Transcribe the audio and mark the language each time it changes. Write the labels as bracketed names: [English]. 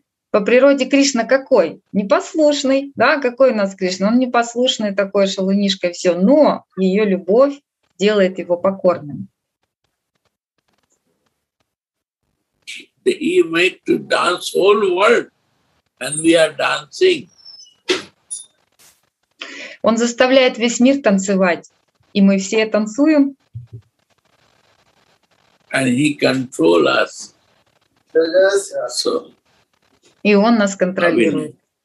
[Russian] По природе Кришна какой? Непослушный. Да, какой у нас Кришна? Он непослушный такой, шалунишка, все. Но ее любовь делает его покорным. [English] He made to dance whole world, and we are dancing. [Russian] Он заставляет весь мир танцевать, и мы все танцуем. [English] And he control us. So, [Russian] и он нас контролирует.